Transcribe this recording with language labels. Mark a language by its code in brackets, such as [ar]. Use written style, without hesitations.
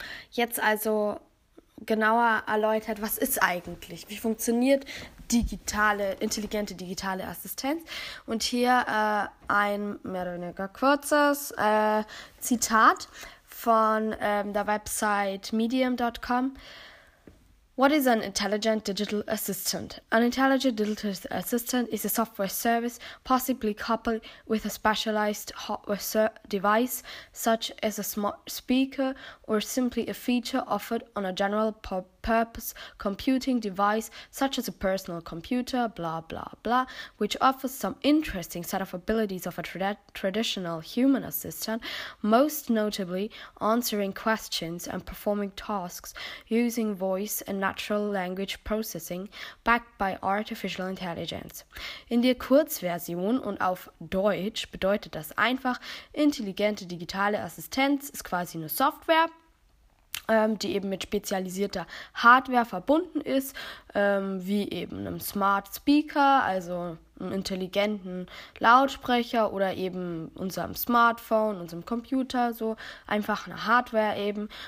[de] Jetzt also genauer erläutert, was ist eigentlich? Wie funktioniert intelligente digitale Assistenz? Und hier ein mehr oder weniger kurzes Zitat von der Website medium.com. [en] What is an intelligent digital assistant? An intelligent digital assistant is a software service possibly coupled with a specialized hardware device such as a smart speaker or simply a feature offered on a general purpose computing device such as a personal computer, blah blah blah, which offers some interesting set of abilities of a traditional human assistant, most notably answering questions and performing tasks using voice and natural language processing backed by artificial intelligence. [de] In der Kurzversion und auf Deutsch bedeutet das einfach, intelligente digitale Assistenz ist quasi eine Software, die eben mit spezialisierter Hardware verbunden ist, wie eben einem Smart Speaker, also einem intelligenten Lautsprecher oder eben unserem Smartphone, unserem Computer, so einfach eine Hardware eben.